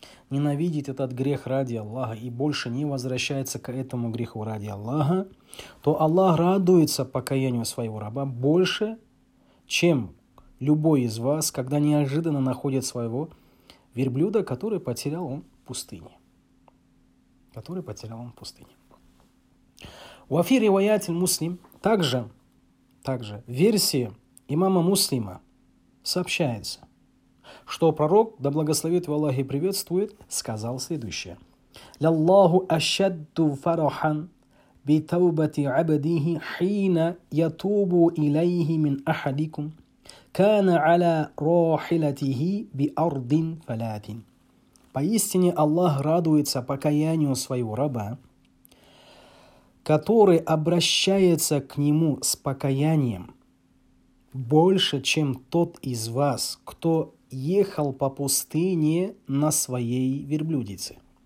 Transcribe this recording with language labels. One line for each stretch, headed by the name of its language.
Russian: ненавидит этот грех ради Аллаха и больше не возвращается к этому греху ради Аллаха, то Аллах радуется покаянию своего раба больше, чем любой из вас, когда неожиданно находит своего верблюда, который потерял он в пустыне. Который потерял он в пустыне.
Arabic: وفي روايات المسلم
Russian: также в версии имама Муслима сообщается, что пророк, да благословит его Аллах и приветствует, сказал следующее:
Arabic: لَلَّهُ أَشَدُّ فَرَحًا بِتَوْبَةِ عَبْدِهِ حِينَ يَتُوبُ إِلَيْهِ مِنْ أَحَدِكُمْ كَانَ عَلَى رَاحِلَتِهِ بِأَرْضٍ فَلَاتٍ.
Russian: Поистине Аллах радуется покаянию своего раба, который обращается к нему с покаянием больше, чем тот из вас, кто ехал по пустыне на своей верблюдице.